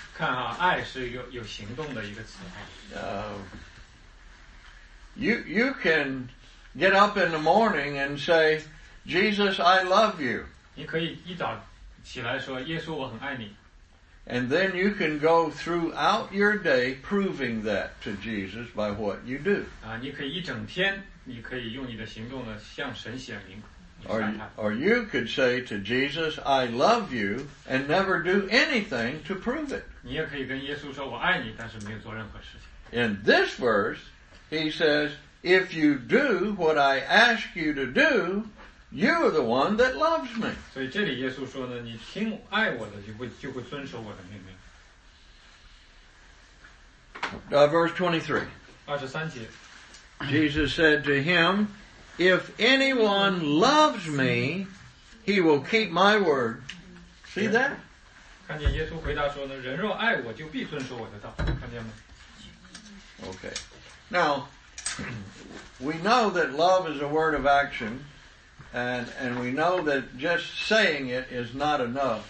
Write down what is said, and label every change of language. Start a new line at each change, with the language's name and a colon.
Chinese: 看啊，爱是有行动的一个词。
English: You can get up in the morning and say, Jesus, I love you.
Chinese: 你可以一早起来说，耶稣，我很爱你。
English: And then you can go throughout your day proving that to Jesus by what you do.
Chinese: 啊，你可以一整天，你可以用你的行动呢向神显明。
English: Or you could say to Jesus, I love you, and never do anything to prove it.
Chinese: 你也可以跟耶稣说我爱你，但是没有做任何事情。
English: In this verse, he says, if you do what I ask you to do, you are the one that loves me.
Chinese: 所以这里耶稣说呢，你听爱我的就会遵守我的命令。
English: Verse 23. Jesus said to him, If anyone loves me, he will keep my word. See that?
Chinese: 看见耶稣回答说呢，人若爱我，就必遵守我的道。看见吗？
English: Okay. Now, we know that love is a word of action, and we know that just saying it is not enough.